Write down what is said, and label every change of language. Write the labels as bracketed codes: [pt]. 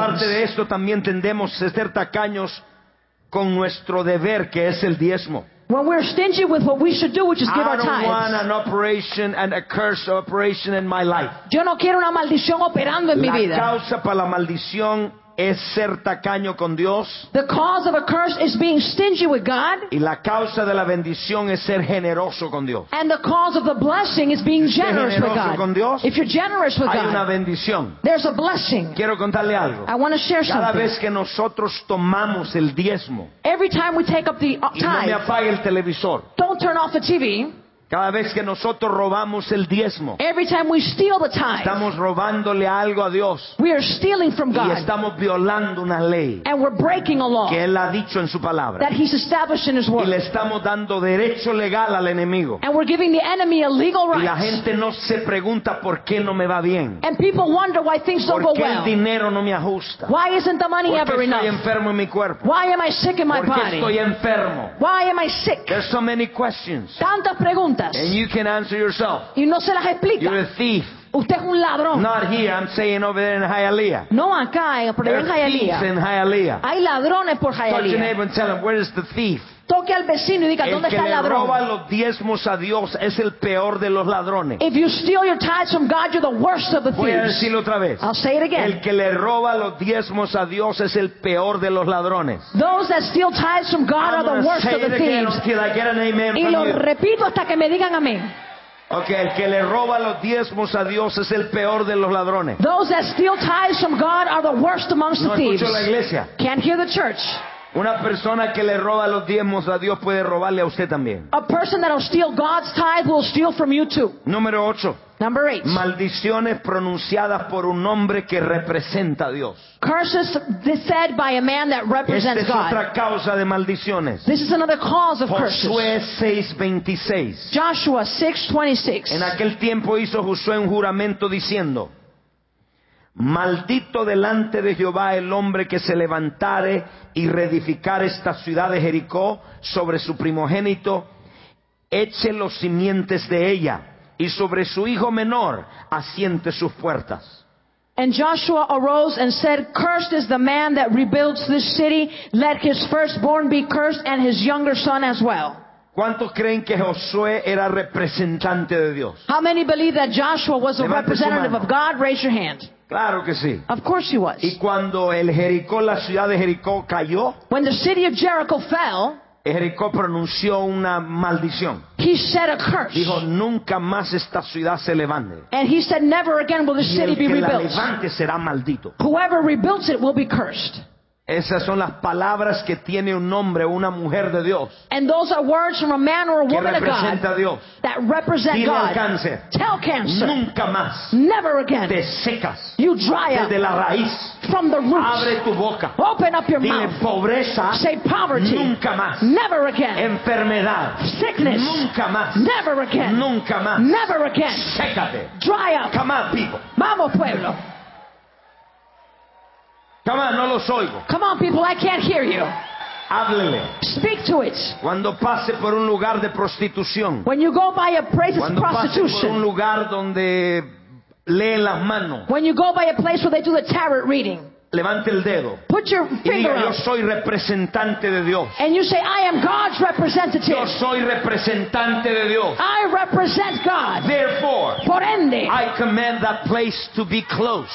[es] Aparte de esto, también tendemos a ser tacaños con nuestro deber, que es el diezmo. [en] When we're stingy with what we should do, which is give our tithes. I don't want an operation and a curse operation in my life. [es] Yo no quiero una maldición operando en mi vida. La causa para la maldición es ser tacaño con Dios. [en] The cause of a curse is being stingy with God. [es] Y la causa de la bendición es ser generoso con Dios. [en] And the cause of the blessing is being generous with God. [es] Con Dios, [en] if you're generous with [es] hay [en] God, [es] una bendición. [en] There's a blessing. [es] Quiero contarle algo. [en] I want to share [es] cada [en] something. [es] Vez que nosotros tomamos el diezmo, [en] every time we take up the tithe, [es] y no me apague el televisor, [en] don't turn off the TV. [es] Cada vez que nosotros robamos el diezmo, [en] every time we steal the tithe, [es] estamos robándole algo a Dios. [en] We are stealing from God. [es] Y estamos violando una ley, [en] and we're breaking a law, [es] que Él ha dicho en su palabra, [en] that He's established in His word. [es] Y le estamos dando derecho legal al enemigo, [en] and we're giving the enemy a legal right. [es] Y la gente no se pregunta por qué no me va bien, [en] and people wonder why things don't go well. [es] Por qué el dinero no me ajusta. [en] Why isn't the money ever enough? [es] Por qué estoy enfermo en mi cuerpo. [en] Why am I sick in my body? [es] Por qué estoy enfermo. [en] Why am I sick? There's so many questions. [es] Tantas preguntas. [en] And you can answer yourself. [es] Y no se las explica. [en] You're a thief. [es] Usted es un ladrón. [en] Not here, I'm saying over there in Hialeah. [es] No acá, pero en Hialeah. [en] There are thieves in Hialeah. [es] Hay ladrones por Hialeah. [en] Touch your neighbor and tell him, where is the thief? [es] Toque al vecino y diga, ¿dónde está el ladrón? El que roba los diezmos a Dios es el peor de los ladrones. [en] If you steal your tithes from God, you're the worst of the thieves. [es] Voy a decirlo otra vez. [en] I'll say it again. [es] El que le roba los diezmos a Dios es el peor de los ladrones. [en] Those that steal tithes from God are the worst of the thieves. Until I get an amen from [es] y lo repito hasta que me digan amén. Okay, el que le roba los diezmos a Dios es el peor de los ladrones. [en] Those that steal tithes from God are the worst amongst the thieves. [es] No escucho la iglesia. [en] Can't hear the church. [es] Una persona que le roba los diezmos a Dios puede robarle a usted también. [en] A person that will steal God's tithe will steal from you too. [es] Número 8. [en] Number 8. [es] Maldiciones pronunciadas por un hombre que representa a Dios. [en] Curses said by a man that represents God. [es] Esta es otra causa de maldiciones. [en] This is another cause of curses. [es] Josué 6:26. [en] Joshua 6:26. [es] En aquel tiempo hizo Josué un juramento diciendo: maldito delante de Jehová el hombre que se levantare y reedificare esta ciudad de Jericó sobre su primogénito, eche los simientes de ella, y sobre su hijo menor asiente sus puertas. [en] And Joshua arose and said, cursed is the man that rebuilds this city, let his firstborn be cursed and his younger son as well. [es] ¿Cuántos creen que Josué era representante de Dios? [en] How many believe that Joshua was a representative of God? Raise your hand. [es] Claro que sí. [en] Of course he was. [es] Y cuando el Jericó, la ciudad de Jericó cayó, [en] when the city of Jericho fell, [es] Jericó pronunció una maldición. [en] He said a curse. [es] Dijo, nunca más esta ciudad se levante. [en] And he said, never again will this city be rebuilt. [es] Y el que la levante será maldito. [en] Whoever rebuilds it will be cursed. [es] Esas son las palabras que tiene un hombre o una mujer de Dios. [en] And those are words from a man or a woman of God. [es] Que representa a Dios. [en] That represent God. [es] Dile al cáncer. [en] Tell cancer. [es] Nunca más. [en] Never again. [es] Te secas. [en] You dry up. [es] Desde la raíz. [en] From the roots. [es] Abre tu boca. [en] Open up your [es] dile [en] mouth. [es] Dile pobreza. [en] Say poverty. [es] Nunca más. [en] Never again. [es] Enfermedad. [en] Sickness. [es] Nunca más. [en] Never again. [es] Nunca más. [en] Never again. [es] Sécate. [en] Dry up. Come on, people. [es] Vamos, pueblo. [en] Come on, [es] no los oigo. [en] Come on, people, I can't hear you. [es] Háblele. [en] Speak to it. [es] Cuando pase por un lugar de prostitución. [en] When you go by a place of prostitution. [es] Cuando pase por un lugar donde leen las manos. [en] When you go by a place where they do the tarot reading. [es] Levante el dedo. [en] Put your finger up. [es] Yo soy representante de Dios. [en] And you say, I am God's representative. [es] Yo soy representante de Dios. [en] I represent God. Therefore, [es] por ende, [en] I command that place to be closed.